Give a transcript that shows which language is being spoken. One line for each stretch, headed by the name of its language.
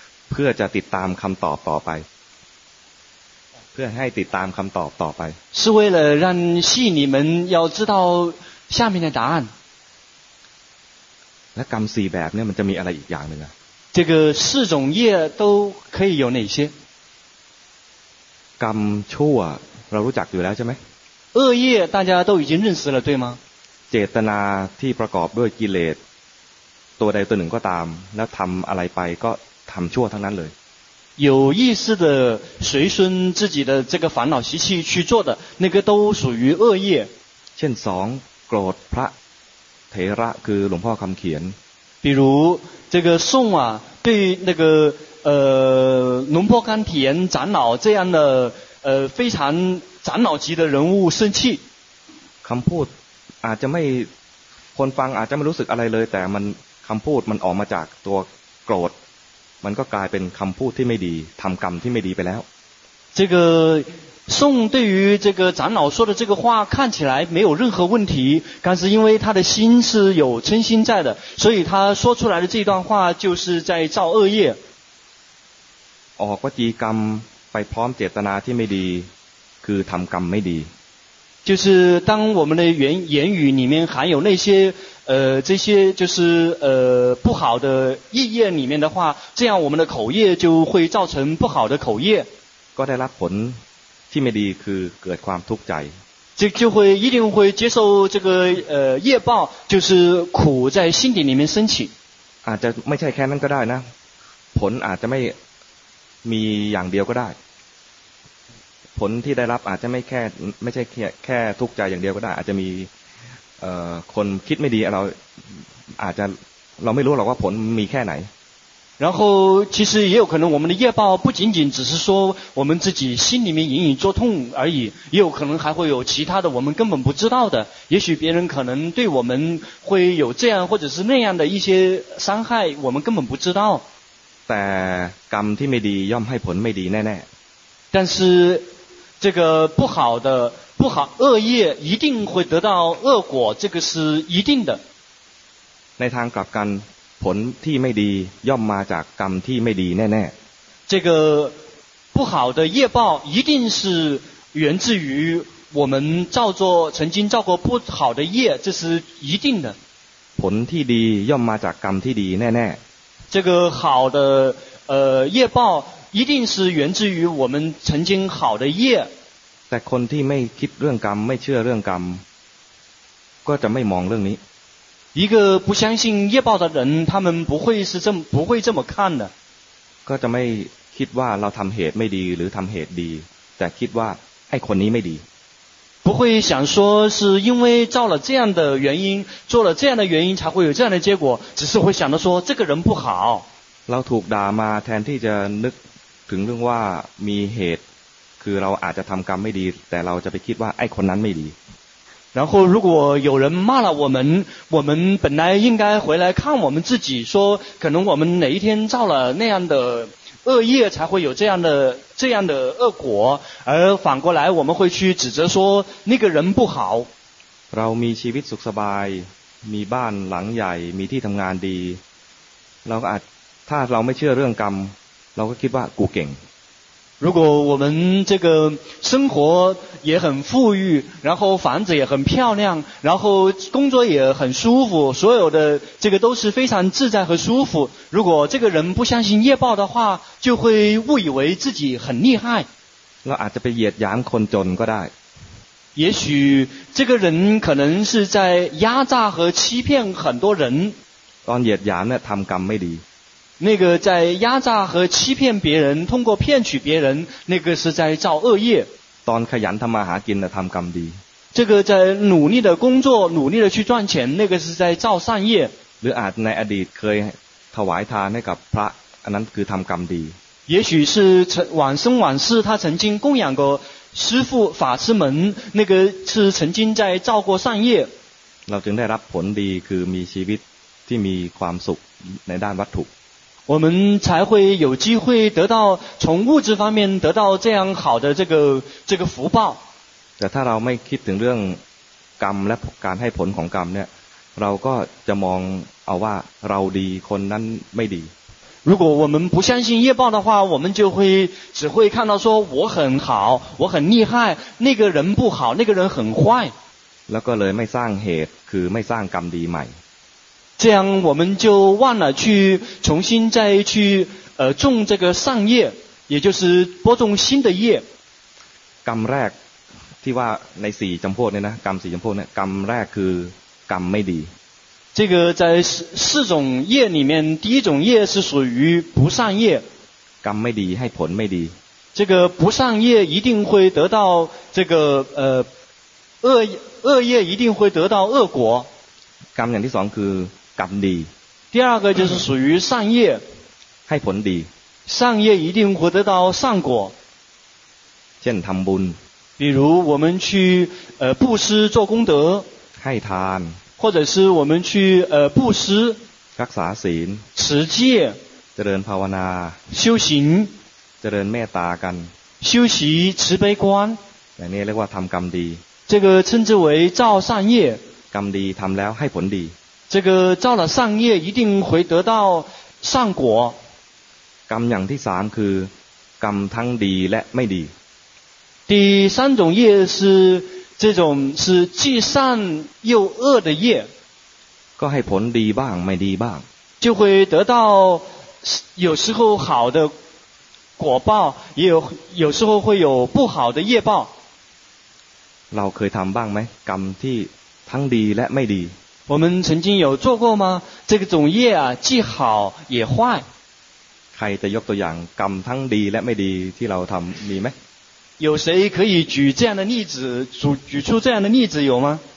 Thai: เพื่อจะติดตามคำตอบต่อไปเพื่อให้ติดตามคำตอบต่อไป
Chinese: 是为了让吸引你们要知道下面的答案
Thai: และกรรมสี่แบบเนี่ยมันจะมีอะไรอีกอย่างหนึ่งอ่ะ
Chinese: 这个四种业都可以有哪些
Thai: กรรมชั่วเรารู้จักอยู่แล้วใช่ไหม
Chinese: 恶业大家都已经认识了对吗
Thai: เจตนาที่ประกอบด้วยกิเลสตัวใดตัวหนึ่งก็ตามแล้วทำอะไรไปก็ทำชั่วทั้งนั้นเลย
Chinese: 有意识的随顺自己的这个烦恼习气去做的那个都属于恶业
Thai: เช่นสองโกรธพระเถระคือหลวงพ่อคำเขียน
Chinese: 比如这个宋啊对那个龙坡甘田长老这样的非常长老级的人物生气。
Thai: คำพูดอาจจะไม่คนฟังอาจจะไม่รู้สึกอะไรเลยแต่มันคำพูดมันออกมาจากตัวโกรธมันก็กลายเป็นคำพูดที่ไม่ดีทำกรรมที่ไม่ดีไปแล้ว
Chinese: 这个宋对于这个长老说的这个话看起来没有任何问题，但是因为他的心是有嗔心在的，所以他说出来的这段话就是在造恶业。
Thai: ออกวจีกรรมไปพร้อมเจตนาที่ไม่ดีคือทำกรรมไม่ดี
Chinese: 就是当我们的言语里面含有那些这些就是不好的意业里面的话，这样我们的口业就会造成不好的口业。
Thai: ก็ได้รับผลที่ไม่ดีคือเกิดความทุกข์ใจ
Chinese: 就会一定会接受这个业报，就是苦在心底里面升起。
Thai: อาจจะไม่ใช่แค่นั้นก็ได้นะผลอาจจะไม่มีอย่างเดียวก็ได้ผลที่ได้รับอาจจะไม่แค่ไม่ใช่แค่ทุกข์ใจอย่างเดียวก็ได้อาจจะมีคนคิดไม่ดีเราอาจจะเราไม่รู้หรอกว่าผลมีแค่ไหน
Chinese: 然后其实也有可能我们的业报不仅仅只是说我们自己心里面隐隐作痛而已，也有可能还会有其他的我们根本不知道的，也许别人可能对我们会有这样或者是那样的一些伤害，我们根本不知道。
Thai: แต่กรรมที่ไม่ดีย่อมให้ผลไม่ดีแน่
Chinese: ๆ但是这个不好的不好恶业一定会得到恶果，这个是一定的。
Thai: ในทางกลับกันผลที่ไม่ดีย่อมมาจากกรรมที่ไม่ดีแน่
Chinese: ๆ这个不好的业报一定是源自于我们造作曾经造过不好的业，这是一定的。
Thai: ผลที่ดีย่อมมาจากกรรมที่ดีแน่
Chinese: ๆ这个好的业报一定是源自于我们曾经好的业。
Thai: แต่คนที่ไม่คิดเรื่องกรรมไม่เชื่อเรื่องกรรมก็จะไม่มองเรื่องนี้
Chinese: 一个不相信业报的人，他们不会这么看的。
Thai: ก็จะไม่คิดว่าเราทำเหตุไม่ดีหรือทำเหตุดีแต่คิดว่าไอ้คนนี้ไม่ดี
Chinese: 不会想说是因为造了这样的原因，做了这样的原因才会有这样的结果，只是会想到说这个人不好。
Thai: เราถูกด่ามาแทนที่จะนึกถึงเรื่องว่ามีเหตุคือเราอาจจะทำกรรมไม่ดีแต่เราจะไปคิดว่าไอ้คนนั้นไม่ดี
Chinese: 然后如果有人骂了我们，我们本来应该回来看我们自己，说可能我们哪一天造了那样的恶业才会有这样的恶果，而反过来我们会去指责说那个人不好。
Thai: เรามีชีวิตสุขสบายมีบ้านหลังใหญ่มีที่ทำงานดีเราก็อาจถ้าเราไม่เชื่อเรื่องกรรมเราก็คิดว่ากูเก่ง
Chinese: 如果我们这个生活也很富裕，然后房子也很漂亮，然后工作也很舒服，所有的这个都是非常自在和舒服，如果这个人不相信业报的话，就会误以为自己很厉害。
Thai: เราอาจจะไปเหยียดหยามคนจนก็ได้
Chinese: 也许这个人可能是在压榨和欺骗很多人。
Thai: ตอนเหยียดหยามเนี่ยทำกรรมไม่ดี
Chinese: 那个在压榨和欺骗别人，通过骗取别人，那个是在造恶业。
Thai: ตอนขยันทำมาหากินทำกรรมดี
Chinese: 这个在努力的工作，努力的去赚钱，那个是在造善业。
Thai: หรืออาจในอดีตเคยถวายทานให้กับพระอันนั้นคือทำกรรมดี
Chinese: 也许是往生往世，他曾经供养过师父法师们，那个是曾经在造过善业。
Thai: เราจึงได้รับผลดีคือมีชีวิตที่มีความสุขในด้านวัตถุ
Chinese: 我们才会有机会得到从物质方面得到这样好的这个福报。
Thai: แต่ถ้าเราไม่คิดถึงเรื่องกรรมและการให้ผลของกรรมเนี่ยเราก็จะมองเอาว่าเราดีคนนั้นไม่ดี
Chinese: 如果我们不相信业报的话，我们就会只会看到说我很好，我很厉害，那个人不好，那个人很坏。
Thai: แล้วก็เลยไม่สร้างเหตุคือไม่สร้างกรรมดีใหม่
Chinese: 这样我们就忘了去重新再去种这个善业，也就是播种新的业。
Thai: กรรมแรกที่ว่าในสี่จำพวกเนี่ยนะกรรมสี่จำพวกเนี่ยกรรมแรกคือกรรมไม่ดี。
Chinese: 这个在四种业里面，第一种业是属于不善业。
Thai: กรรมไม่ดีให้ผลไม่ดี。
Chinese: 这个不善业一定会得到这个恶业一定会得到恶果。
Thai: กรรมอย่างที่สองคือกรรมดี
Chinese: 第二个就是属于善业
Thai: ให้ผลดี
Chinese: 善业一定会得到善果
Thai: เช่นทำบุญ
Chinese: 比如我们去布施做功德，
Thai: ให้ทาน，
Chinese: 或者是我们去布施，
Thai: รักษาศีล，
Chinese: 持戒，
Thai: เจริญภาวนา，
Chinese: 修行，
Thai: เจริญเมตตากัน，
Chinese: 修习慈悲观，
Thai: อย่างนี้เรียกว่าทำกรรมดี，
Chinese: 这个称之为造善业，
Thai: กรรมดีทำแล้วให้ผลดี，
Chinese: 这个造了善业一定会得到善果，
Thai: กรรมอย่างที่สามคือกรรมทั้งดีและไม่ดี。
Chinese: 第三种业是这种是既善又恶的业，
Thai: ก็ให้ผลดีบ้างไม่ดีบ้าง，
Chinese: 就会得到有时候好的果报，也有有时候会有不好的业报。
Thai: เราเคยทำบ้างไหมกรรมที่ทั้งดีและไม่ดี？
Chinese: 我们曾经有做过吗？这个种业啊，既好也坏。
Thai: ใครจะยกตัวอย่างกรรมทั้งดีและไม่ดีที่เราทำมีไหม？
Chinese: 有谁可以举这样的例子，举出这样的例子有吗？